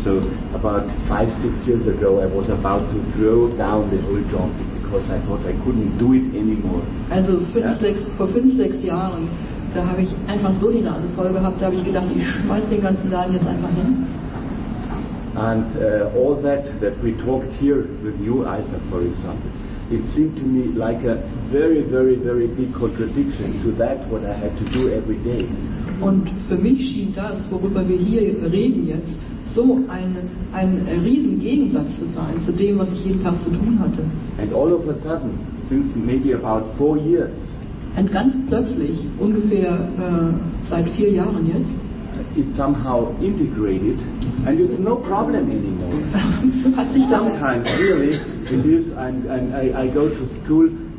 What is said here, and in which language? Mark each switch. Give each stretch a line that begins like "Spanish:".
English: So about 5-6 years ago, I was about to throw down the whole job because I thought I couldn't do it anymore.
German: Also vor fünf, sechs Jahren, da habe ich einfach so die Nase voll gehabt. Da habe ich gedacht, ich schmeiß den ganzen Laden jetzt einfach hin.
English: And all that we talked here with you, Isaac, for example. It seemed to me like a very, very, very big contradiction to that what I had to do every day.
German: Und für mich schien das, worüber wir hier reden jetzt, so ein riesen Gegensatz zu sein zu dem, was ich jeden Tag zu tun hatte.
English: And all of a sudden, since maybe about 4 years.
German: Und ganz plötzlich, ungefähr seit 4 Jahren jetzt.
English: It somehow integrated, and it's no problem anymore. Sometimes, really, it is. I go to school.